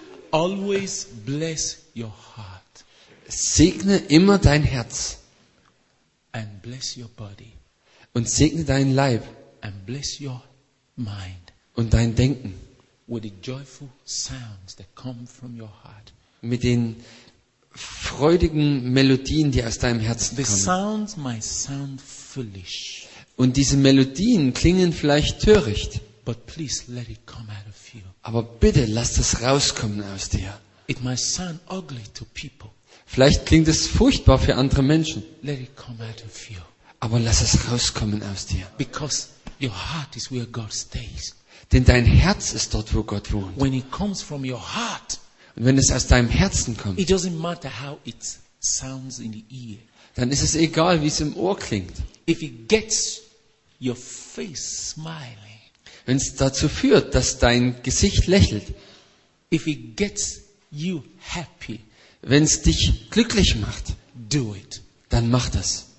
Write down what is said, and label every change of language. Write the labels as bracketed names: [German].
[English] Always bless your heart. [German] Segne immer dein Herz. [English] And bless your body. [German] Und segne deinen Leib. [English] And bless your mind. [German] Und dein Denken. [English] With the joyful sounds that come from your heart. [German] Mit den freudigen Melodien, die aus deinem Herzen kommen. [English] The sounds might sound foolish. [German] Und diese Melodien klingen vielleicht töricht. [English] But please let it come out of you. [German] Aber bitte lass das rauskommen aus dir. [English] It might sound ugly to people. [German] Vielleicht klingt es furchtbar für andere Menschen. [English] Let it come out of you. [German] Aber lass es rauskommen aus dir. [English] Because your heart is where God stays. [German] Denn dein Herz ist dort, wo Gott wohnt. [English] When it comes from your heart, [German] und wenn es aus deinem Herzen kommt, [English] it doesn't matter how it sounds in the ear. [German] dann ist es egal, wie es im Ohr klingt. [English] If it gets your face smiling, [German] wenn es dazu führt, dass dein Gesicht lächelt, [English] if it gets you happy, [German] wenn es dich glücklich macht, [English] do it. [German] Dann mach das.